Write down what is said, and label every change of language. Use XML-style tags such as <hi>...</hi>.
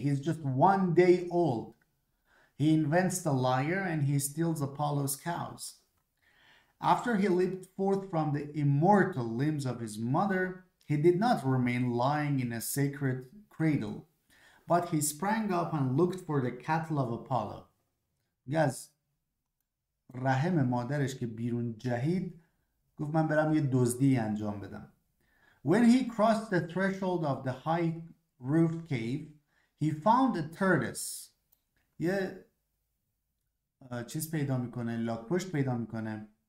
<en>He's just one day old. He invents the lyre and he steals Apollo's cows. After he leaped forth from the immortal limbs of his mother, he did not remain lying in a sacred cradle, but he sprang up and looked for the cattle of Apollo.</en> <fa>Guys, رحم مادرش که بیرون جهید گفت من برم یه دزدی انجام بدم.</fa> <en>When he crossed the threshold of the high roofed cave, he found a tortoise.</en> <fa>یه چیز پیدا میکنه، لاک پشت پیدا میکنه.</fa>